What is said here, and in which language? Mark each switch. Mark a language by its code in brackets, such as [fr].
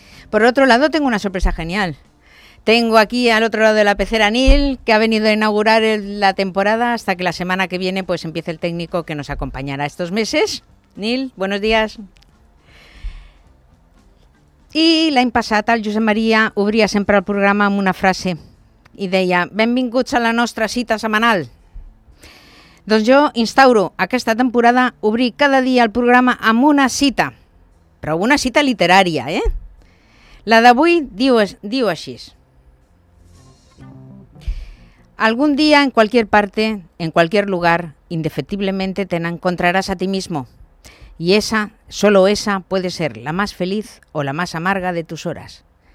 [es] Por otro lado, tengo una sorpresa genial. Tengo aquí al otro lado de la pecera a Neil, que ha venido a inaugurar la temporada hasta que la semana que viene pues empiece el técnico que nos acompañará estos meses. Neil, buenos días. [ca] I l'any passat el Josep Maria obria sempre el programa amb una frase i deia: benvinguts a la nostra cita setmanal. Doncs jo instauro aquesta temporada obrir cada dia el programa amb una cita, però una cita literària, eh? [es] La d'avui diu així: algún día, en cualquier parte, en cualquier lugar, indefectiblemente te encontrarás a ti mismo. Y esa, solo esa, puede ser la más feliz o la más amarga de tus horas.